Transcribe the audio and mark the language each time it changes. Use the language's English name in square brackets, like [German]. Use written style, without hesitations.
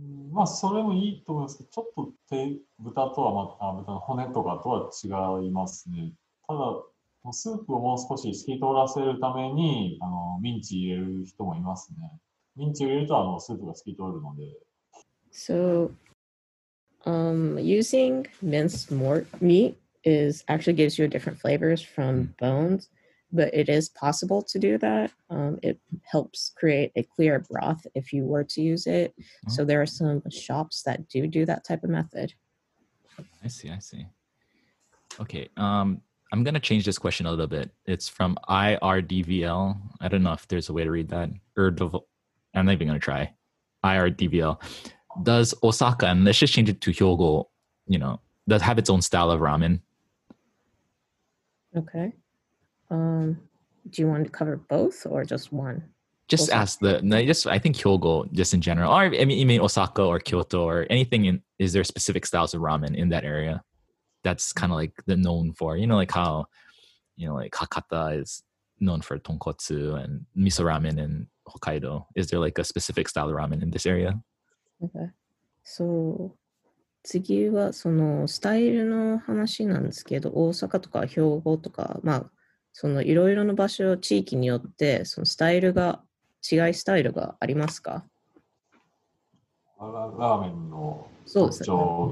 [Japanese] まあそれもいいと思いますけど、ちょっと豚とはまた豚の骨とかとは違いますね。ただスープをもう少し透き通らせるためにミンチ入れる人もいますね。ミンチ入れるとスープが透き通るので。 [English] So. Using minced meat actually gives you different flavors from bones, but it is possible to do that. It helps create a clear broth if you were to use it. Mm-hmm. So there are some shops that do that type of method. I see. Okay. I'm going to change this question a little bit. It's from IRDVL. I don't know if there's a way to read that. I'm not even going to try. IRDVL. Does Osaka, and let's just change it to Hyogo, you know, does have its own style of ramen? Okay. Do you want to cover both or just one? Just Osaka. I think Hyogo just in general. Or I mean, you mean Osaka or Kyoto or anything. Is there specific styles of ramen in that area that's kind of like the known for, you know, like how, you know, like Hakata is known for tonkotsu and miso ramen in Hokkaido. Is there like a specific style of ramen in this area? Okay. [Japanese] So, 次はそのスタイルの話なんですけど、大阪とか兵庫とか、まあ、そのいろいろの場所、地域によって、そのスタイルが、違いスタイルがありますか？ラーメンの特徴